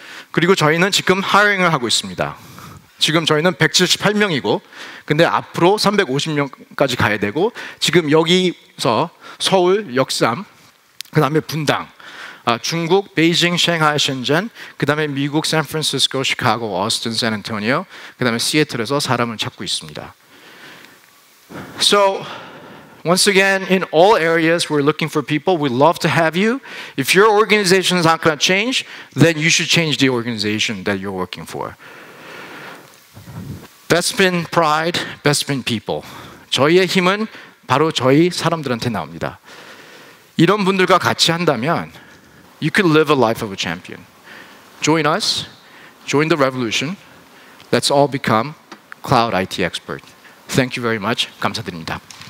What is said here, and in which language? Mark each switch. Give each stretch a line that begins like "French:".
Korean: 그리고 저희는 지금 하이링을 하고 있습니다. 지금 저희는 178명이고 근데 앞으로 350명까지 가야 되고 지금 여기서 서울, 역삼, 그 다음에 분당 중국, 베이징, 샹하이, 신젠 그 다음에 미국, 샌프란시스코, 시카고, 오스틴, 샌안토니오 그 다음에 시애틀에서 사람을 찾고 있습니다.
English: So Once again, in all areas, we're looking for people. We'd love to have you. If your organization is not going to change, then you should change the organization that you're working for. Bespin pride, Bespin people.
Korean: 저희의 힘은 바로 저희 사람들한테 나옵니다. 이런 분들과 같이 한다면,
English: you could live a life of a champion. Join us, join the revolution. Let's all become cloud IT expert. Thank you very much.
Korean: 감사드립니다.